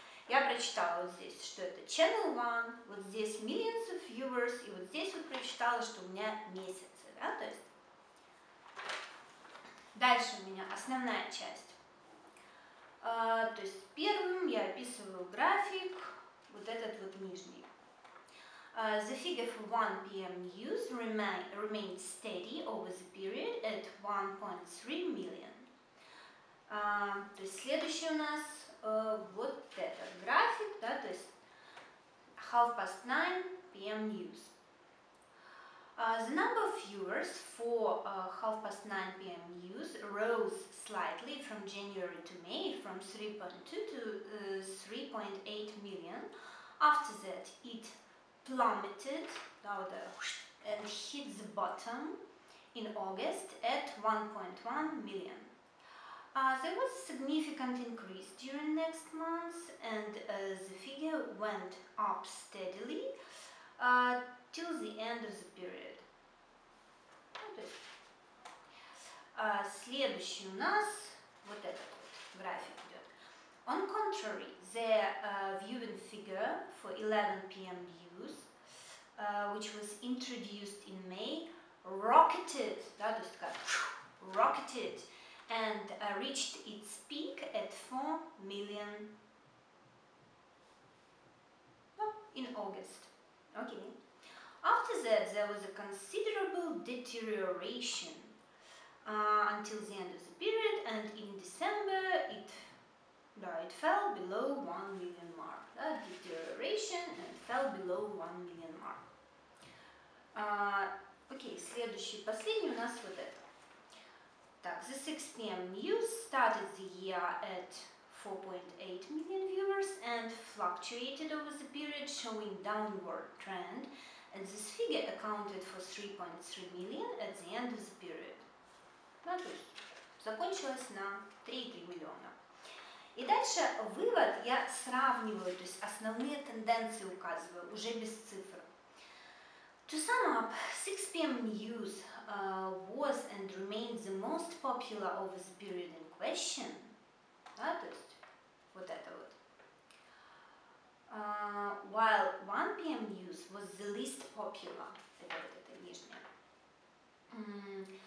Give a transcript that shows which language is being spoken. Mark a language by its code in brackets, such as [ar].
[ru] Я прочитала вот здесь, что это channel 1, вот здесь [en] millions of viewers, [ru] и вот здесь вот прочитала, что у меня месяцы, да, то есть. Дальше у меня основная часть. То есть первым я описываю график, вот этот вот нижний. [en] The figure for 1 p.m. news remained steady over the period at 1.3 million. [ru] То есть следующий у нас вот этот график, да, то есть [en] half past 9 p.m. news. The number of viewers for half past 9 p.m. news rose slightly from January to May from 3.2 to 3.8 million. After that, it plummeted and hit the bottom in August at 1.1 million. There was a significant increase during next month, and the figure went up steadily till the end of the period. [ru] Следующий у нас вот этот вот график идет. [en] On contrary, the viewing figure for 11 p.m. news, which was introduced in May, rocketed. [ru] Да, то есть как rocketed. [en] And reached its peak at 4 million in August. Okay. After that, there was a considerable deterioration until the end of the period, and in December, it fell below 1 million mark. Deterioration and fell below 1 million mark. [ru] Okay, следующий, последний у нас вот это. [en] The 6 p.m. news started the year at 4.8 million viewers and fluctuated over the period, showing downward trend, and this figure accounted for 3.3 million at the end of the period. [ru] Закончилось на 3 миллиона. И дальше вывод, я сравниваю, то есть основные тенденции указываю, уже без цифр. [en] To sum up, 6 p.m. news was and remained the most popular over the period in question. [ru] Да, то есть, вот это вот. [en] While 1 p.m. news was the least popular. [ru] Это вот это нижнее.